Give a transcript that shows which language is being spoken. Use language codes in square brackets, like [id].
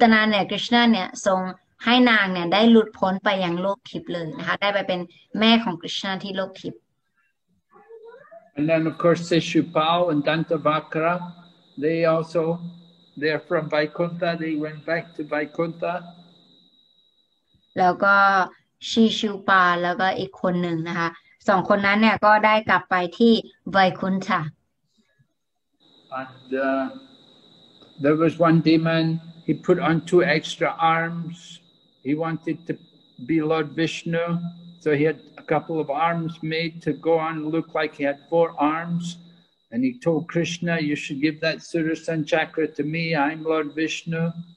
[th] ตัวอย่างเช่นปูตนานะคะปูตนาเนี่ยกฤษณะเนี่ยทรง ให้นางเนี่ยได้หลุดพ้นไปยังโลกทิพย์เลยนะคะได้ไปเป็นแม่ของกฤษณะที่โลกทิพย์ [en] And then of course Sishupal and Dantavakra they also they are from Vaikuntha they went back to Vaikuntha [th] แล้วก็ชิชุปาแล้วก็อีกคนหนึ่งนะคะ สองคนนั้นเนี่ยก็ได้กลับไปที่ Vaikuntha [en] And there was one demon he put on two extra arms He wanted to be Lord Vishnu, so he had a couple of arms made to go on look like he had four arms. And he told Krishna, you should give that Surasan chakra to me, I'm Lord Vishnu.